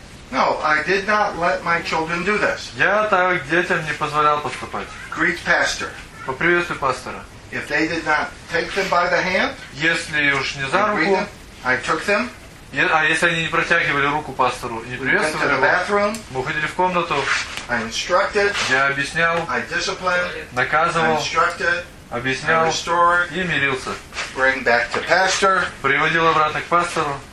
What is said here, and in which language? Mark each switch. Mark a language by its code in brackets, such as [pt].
[en] No, I did not let my children do this. [ru] Я так детям не позволял поступать. [en] Greet pastor. [ru] Поприветствуй пастора. [en] If they did not take them by the hand, [ru] если уж не за руку, [en] I took them. [ru] А если они не протягивали руку пастору и не приветствовали его, [en] bathroom, [ru] мы уходили в комнату, [en] I instructed, [ru] я объяснял, [en] I disciplined, [ru] наказывал, [en] I instructed, [ru] объяснял [en] I restored, [ru] и мирился. [en] Bring back to pastor, [ru] приводил обратно к пастору.